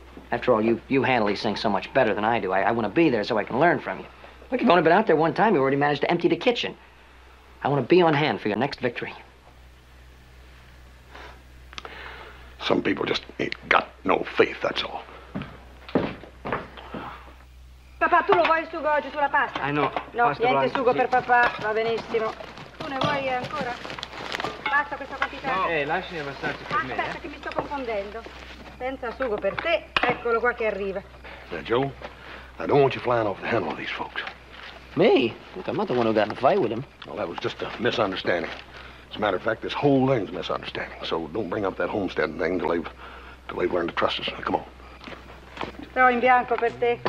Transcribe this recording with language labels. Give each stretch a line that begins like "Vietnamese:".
English: After all, you handle these things so much better than I do. I want to be there so I can learn from you. Look, you've only been out there one time. You already managed to empty the kitchen. I want to be on hand for your next victory. Some people just ain't got no faith, that's all.
Italian: Papà, tu lo vuoi il sugo oggi sulla pasta?
English: I know.
Italian: No, niente sugo per papà. Va benissimo. Tu ne vuoi ancora? Basta questa quantità. No, lasciami abbastanza per me. Aspetta, che mi sto confondendo. Senza sugo per te, eccolo qua che arriva.
English: Now, Joe, I don't want you flying off the handle of these folks. Me? Look, I'm not the one who got in a fight with him. Well, that was just a misunderstanding. As a matter of fact, this whole thing's a misunderstanding. So don't bring up that homestead thing till they've learned to trust us. Come on.
Italian: Però in bianco per te.